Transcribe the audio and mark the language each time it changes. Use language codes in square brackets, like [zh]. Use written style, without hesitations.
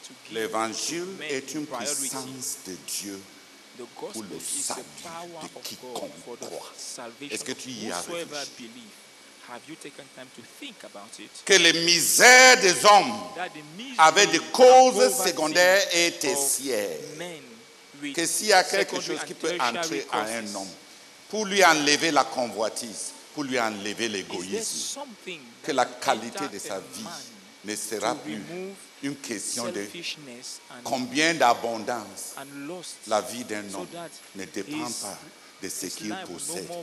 [fr] L'Évangile est une puissance de Dieu pour le salut de quiconque croit. Est-ce que tu y as réfléchi? [en] Have you taken time to think about it? [fr] Que les misères des hommes avaient des causes secondaires et tertiaires. Que s'il y a quelque chose qui peut entrer à un homme pour lui enlever la convoitise, pour lui enlever l'égoïsme, que la qualité de sa vie ne sera plus une question de combien d'abondance la vie d'un homme ne dépend pas de ce qu'il possède.